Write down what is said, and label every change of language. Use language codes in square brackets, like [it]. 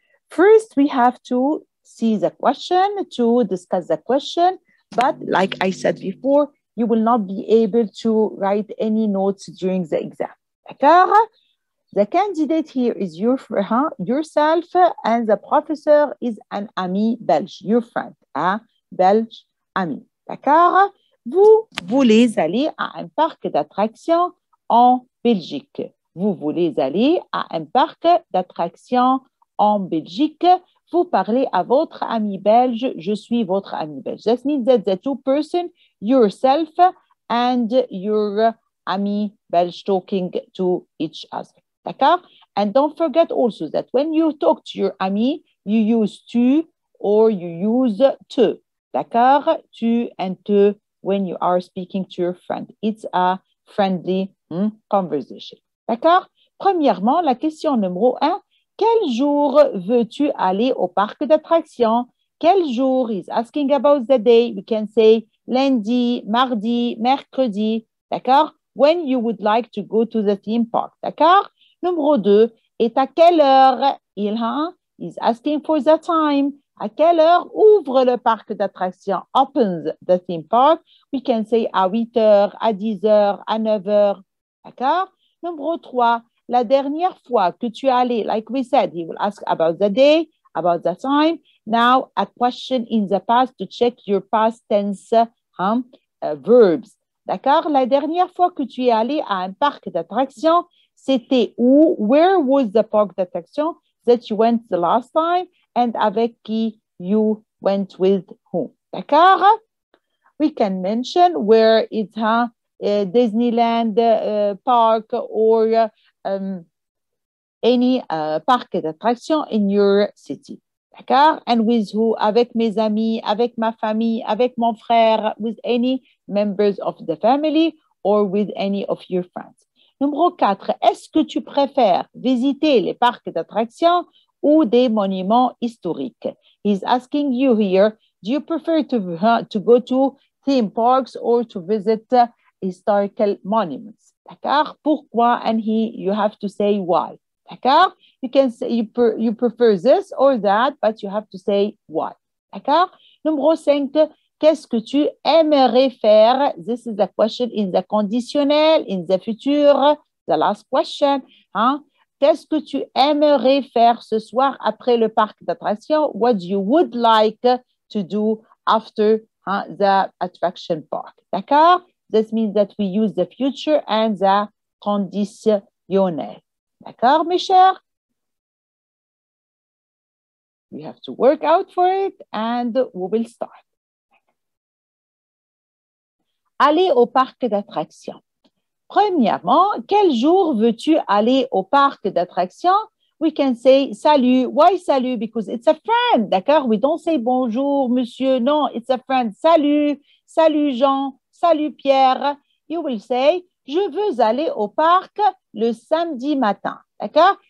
[en] First, we have to see the question, to discuss the question, but like I said before, you will not be able to write any notes during the exam, [fr] d'accord? [en] The candidate here is your yourself, and the professor is an ami belge, your friend, [fr] un belge ami. D'accord? Vous voulez aller à un parc d'attraction en Belgique. Vous voulez aller à un parc d'attraction en Belgique. Vous parlez à votre ami belge. Je suis votre ami belge. [en] That means that the two person, yourself and your ami belge, talking to each other. [fr] D'accord? [en] And don't forget also that when you talk to your ami, you use tu or you use te. D'accord? Tu and te when you are speaking to your friend. It's a friendly conversation. [fr] D'accord? Premièrement, la question numéro un, quel jour veux-tu aller au parc d'attractions? [en] Quel jour is asking about the day? We can say lundi, mardi, mercredi. [fr] D'accord? [en] When you would like to go to the theme park. [fr] D'accord? Numéro 2, est à quelle heure? [en] He's asking for the time. [fr] À quelle heure ouvre le parc d'attractions? [en] Opens the theme park. We can say à 8 heures, à 10 heures, à 9 heures. [fr] D'accord? Numéro 3, la dernière fois que tu es allé, [en] like we said, he will ask about the day, about the time. Now, a question in the past to check your past tense verbs. [fr] D'accord? La dernière fois que tu es allé à un parc d'attractions, c'était où? [en] Where was the park d'attraction that you went the last time? And [fr] avec qui [en] you went with whom? [fr] D'accord? [en] We can mention where it's Disneyland park or any park d'attraction in your city. [fr] D'accord? [en] And with who? [fr] Avec mes amis, avec ma famille, avec mon frère, [en] with any members of the family or with any of your friends. [fr] Numéro 4, est-ce que tu préfères visiter les parcs d'attractions ou des monuments historiques? [en] He's asking you here, do you prefer to go to theme parks or to visit historical monuments? [fr] D'accord? Pourquoi? [en] And he, you have to say why. [fr] D'accord? [en] You can say you prefer this or that, but you have to say why. [fr] D'accord? Numéro 5, qu'est-ce que tu aimerais faire? [en] This is the question in the conditionnel, in the future, the last question. Hein? [fr] Qu'est-ce que tu aimerais faire ce soir après le parc d'attractions? [en] What you would like to do after the attraction park. [fr] D'accord? [en] This means that we use the future and the conditionnel. [fr] D'accord, mes chers? [en] You have to work out for it and we will start. [fr] Aller au parc d'attractions. Premièrement, quel jour veux-tu aller au parc d'attractions? [en] We can say salut. Why salut? Because it's a friend. [fr] D'accord? [en] We don't say [fr] bonjour, monsieur. [en] Non, it's a friend. Salut. Salut, Jean. [fr] Salut, Pierre. [en] You will say, [fr] je veux aller au parc le samedi matin. D'accord?